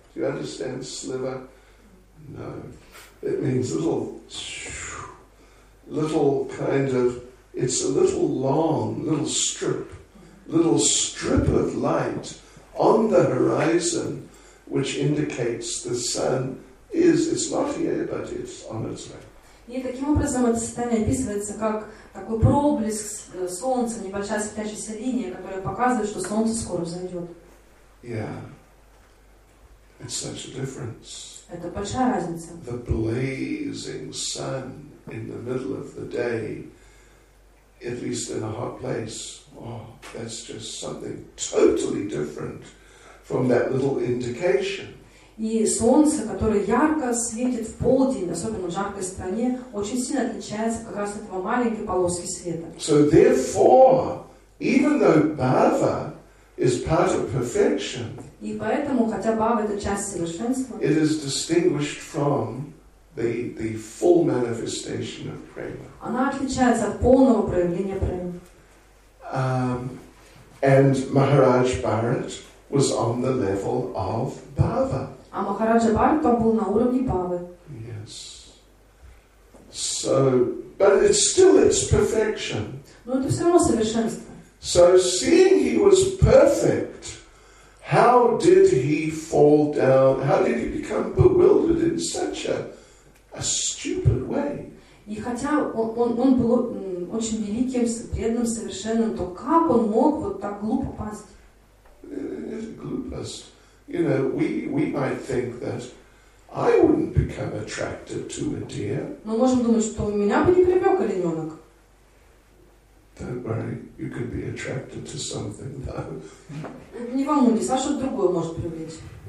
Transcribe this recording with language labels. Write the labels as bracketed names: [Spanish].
[English] Do you understand sliver? No. It means little kind of, it's a little long, little strip of light on the horizon, which indicates the sun is not here, but it's on its way. [Russian] И таким образом это состояние описывается как такой проблеск солнца, небольшая светящаяся линия, которая показывает, что солнце скоро зайдет. [English] Yeah, it's such a difference. [Russian] Это большая разница. [English] The blazing sun in the middle of the day, at least in a hot place, that's just something totally different from that little indication. [Russian] И солнце, которое ярко светит в полдень, особенно в жаркой стране, очень сильно отличается как раз от этого маленькой полоски света. [English] So therefore, even though bhava is part of perfection, [Russian] и поэтому, хотя бхава это часть совершенства, [English] it is distinguished from the full manifestation of prema. [Russian] Она отличается от полного проявления премы. [English] And Maharaj Bharat was on the level of Bhava. [Russian] А Махараджа Бхарата был на уровне Бхавы. [English] Yes. So, but it's still its perfection. [Russian] Но это все равно совершенство. [English] So, seeing he was perfect, how did he fall down? How did he become bewildered in such a stupid way? [Russian] И хотя он был очень великим, преданным, совершенным, то как он мог вот так глупо пасть? Глупость. [English] You know, we might think that I wouldn't become attracted to a deer. [Russian] Мы можем думать, что меня бы не привлек олененок. [English] Don't worry, you could be attracted to something though. [Russian] Не волнуйтесь, а что-то другое может привлечь.